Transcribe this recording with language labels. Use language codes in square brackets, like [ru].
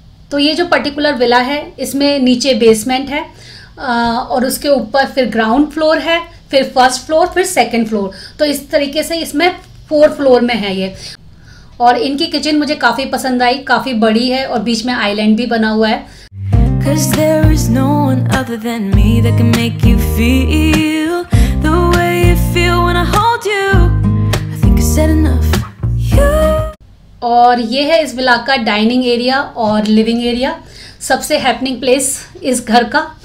[hi] तो ये जो पर्टिकुलर विला है इसमें नीचे बेसमेंट है और उसके ऊपर फिर ग्राउंड फ्लोर है, फिर फर्स्ट फ्लोर, फिर सेकंड फ्लोर, तो इस तरीके से इसमें 4 फ्लोर में है ये। और इनकी किचन मुझे काफी पसंद आई, काफी बड़ी है और बीच में आइलैंड भी बना हुआ है। [en] 'Cause there is no one other than me that can make you feel the way you feel when I hold you. I think I said enough. [hi] और ये है इस विला का डाइनिंग एरिया और लिविंग एरिया, सबसे happening place इस घर का।